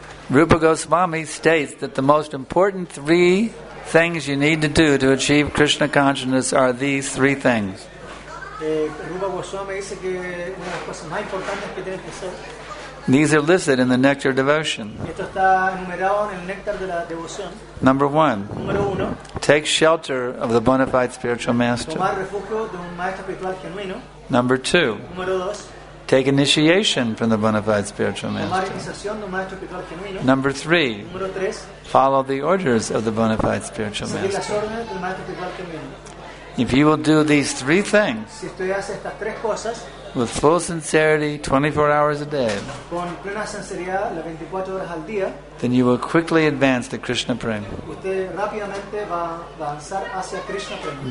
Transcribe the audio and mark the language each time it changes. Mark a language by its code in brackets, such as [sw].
[en] Rupa Goswami states that the most important three things you need to do to achieve Krishna consciousness are these three things. [es] Rupa Goswami dice que una de las cosas más importantes que tienes que hacer. [en] These are listed in the Nectar Devotion. [es] Esto está enumerado en el Nectar de la Devoción. [en] Number one. [es] Número uno. [en] Take shelter of the bona fide spiritual master. [es] Tomar refugio de un maestro espiritual genuino. [en] Number two. [es] Número dos. [en] Take initiation from the bona fide spiritual master. [es] Tomar iniciación de un maestro espiritual genuino. [en] Number three. [es] Número tres. [en] Follow the orders of the bona fide spiritual master. [es] Seguir las órdenes del maestro espiritual genuino. [en] If you will do these three things, [es] si usted hace estas tres cosas, [en] with full sincerity, 24 hours a day, [es] con plena sinceridad, las 24 horas al día, [en] then you will quickly advance to Krishna Prema. [es] Usted rápidamente va a avanzar hacia Krishna Prema.